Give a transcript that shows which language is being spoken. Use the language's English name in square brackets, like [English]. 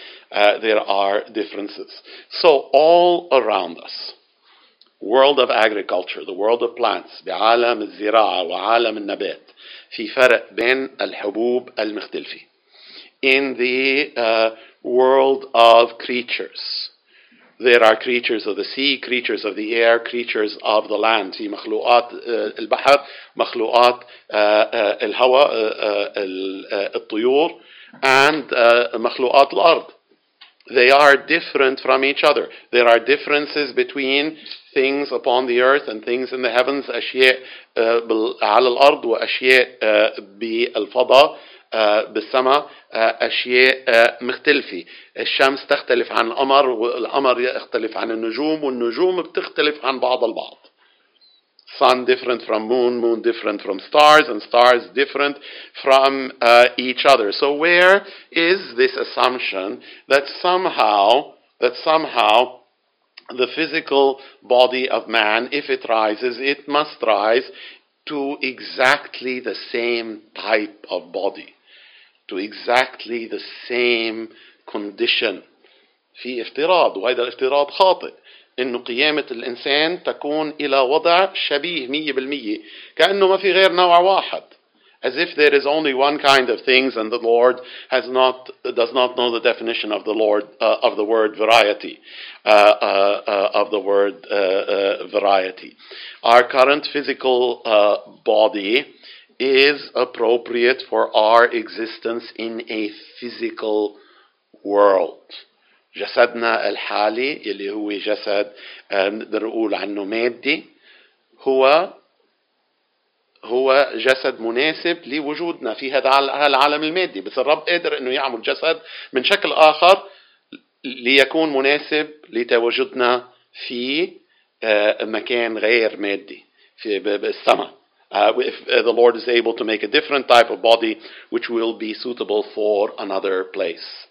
[English] There are differences. So all around us, world of agriculture, the world of plants, [Arabic] بعالم الزراعة وعالم النبات في فرق بين الحبوب المختلفة. [English] In the world of creatures, there are creatures of the sea, creatures of the air, creatures of the land. [Arabic] في مخلوقات البحر, مخلوقات الهواء, الطيور, [English] and [Arabic] مخلوقات الأرض. [English] They are different from each other. There are differences between things upon the earth and things in the heavens. [Arabic] أشياء على الأرض وأشياء بالفضاء. بالسماء أشياء مختلفة. الشمس تختلف عن القمر والقمر يختلف عن النجوم والنجوم بتختلف عن بعض البعض. [English] Sun different from moon, moon different from stars, and stars different from each other. So where is this assumption that somehow the physical body of man, if it rises, it must rise to exactly the same type of body, to exactly the same condition. [Arabic] في افتراض, وهذا الافتراض خاطئ, إنه قيامة الإنسان تكون إلى وضع شبيه 100%, كأنه ما في غير نوع واحد. [English] As if there is only one kind of things, and the Lord does not know the definition of the Lord of the word variety, of the word variety. Our current physical body is appropriate for our existence in a physical world. [Arabic] جسدنا الحالي اللي هو جسد بنقول عنه مادي هو جسد مناسب لوجودنا في هذا العالم المادي, بس الرب قادر انه يعمل جسد من شكل اخر ليكون مناسب لتواجدنا في مكان غير مادي في السماء. [English] If the Lord is able to make a different type of body which will be suitable for another place.